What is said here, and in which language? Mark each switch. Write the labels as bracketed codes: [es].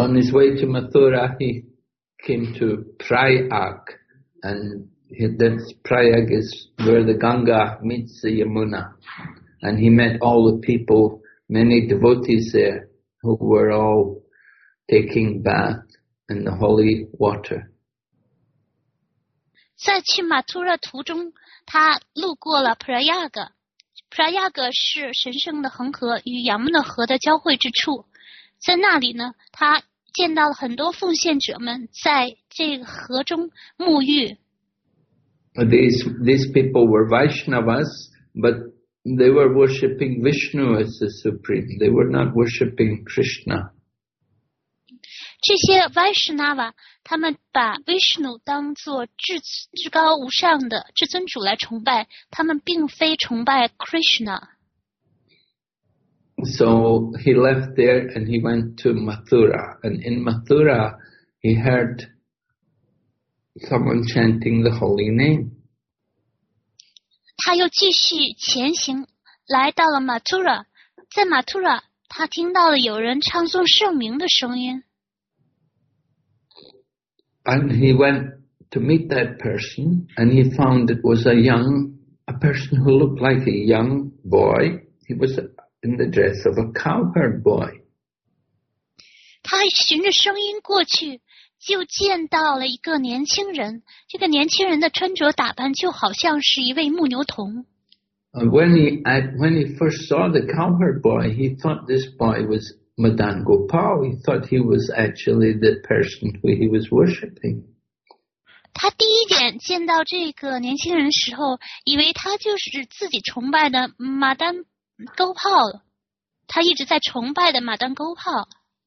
[en] on his way to Mathura, he came to Prayag, and that Prayag is where the Ganga meets the Yamuna. And he met all the people, many devotees there, who were all taking bath in the holy water. [zh] 在去马图拉途中，他路过了普拉亚格。普拉亚格是神圣的恒河与仰慕的河的交汇之处，在那里呢，他见到了很多奉献者们在这个河中沐浴。 [en] These people were Vaishnavas, but they were worshipping Vishnu as the supreme. They were not worshipping Krishna. [zh] 这些 Vaishnava 他们把 Vishnu 当作至高无上的至尊主来崇拜，他们并非崇拜 Krishna。 [en] So he left there and he went to Mathura, and in Mathura he heard someone chanting the holy name. [zh] 他又继续前行，来到了 Mathura， 在 Mathura 他听到了有人唱诵圣名的声音。 [en] And he went to meet that person, and he found it was a person who looked like a young boy. He was in the dress of a cowherd boy. [zh] 他循着声音过去，就见到了一个年轻人。这个年轻人的穿着打扮就好像是一位牧牛童。 [en] When he first saw the cowherd boy, he thought this boy was Madan Gopal. He thought he was actually the person who he was worshipping. [zh] 他第一眼见到这个年轻人时候，以为他就是自己崇拜的 Madan Gopal， 他一直在崇拜的 Madan Gopal。